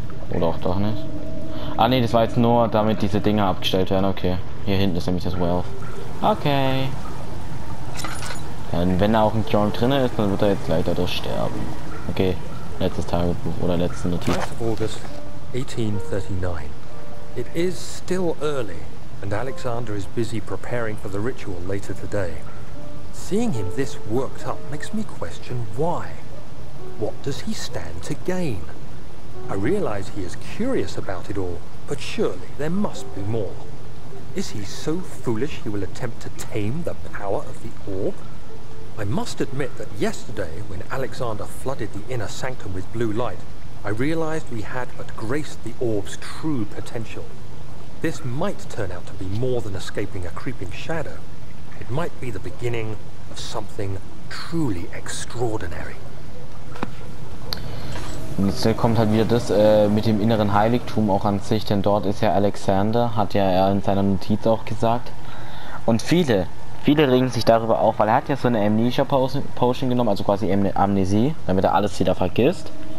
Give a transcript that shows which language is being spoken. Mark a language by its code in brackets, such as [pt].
[de] Oder auch doch nicht. Ah ne, das war jetzt nur, damit diese Dinge abgestellt werden. Okay. Hier hinten ist nämlich das Wealth. Okay. Und wenn da auch ein Kjorn drin ist, dann wird er jetzt leider durch sterben. Okay. Letztes Tagebuch oder letzte Notiz. 1839. [en] It is still early and Alexander is busy preparing for the ritual later today. Seeing him this worked up makes me question why. What does he stand to gain? I realize he is curious about it all, but surely there must be more. Is he so foolish he will attempt to tame the power of the orb? I must admit that yesterday, when Alexander flooded the inner sanctum with blue light, I realized we had but graced the orb's true potential. This might turn out to be more than escaping a creeping shadow. It might be the beginning of something truly extraordinary. [de] Und jetzt kommt halt wieder das mit dem inneren Heiligtum auch an sich, denn dort ist ja Alexander, hat ja er in seiner Notiz auch gesagt. Und viele regen sich darüber auf, weil er hat ja so eine Amnesia Potion genommen, also quasi Amnesie, damit er alles wieder vergisst.